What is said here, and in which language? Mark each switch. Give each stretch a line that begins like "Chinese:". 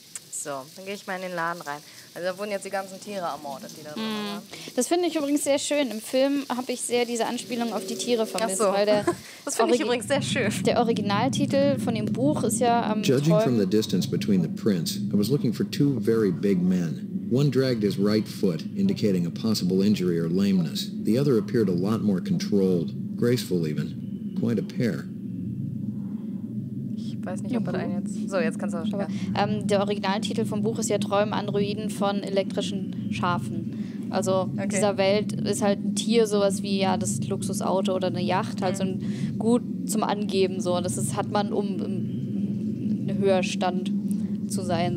German: So, dann gehe ich mal in den Laden rein. Also da wurden jetzt die ganzen Tiere ermordet, die da drin waren. Das finde ich übrigens sehr schön. Im Film habe ich sehr diese Anspielung auf die Tiere vermisst. Ach so. Weil der das finde ich übrigens sehr schön. Der Originaltitel von dem Buch ist ja am
English: Judging
German: Träumen.
English: From the distance between the prints, I was looking for two very big men. One dragged his right foot, indicating a possible injury or lameness. The other appeared a lot more controlled, graceful even. Quite a pair.
German: Ich weiß nicht, ob er einen jetzt... So, jetzt kannst du auch schon. Aber, der Originaltitel vom Buch ist ja Träumen an Ruinen von elektrischen Schafen. Also okay. Dieser Welt ist halt ein Tier sowas wie ja das Luxusauto oder eine Yacht. Halt so ein Gut zum Angeben. So. Das ist, hat man, um im Höherstand zu sein.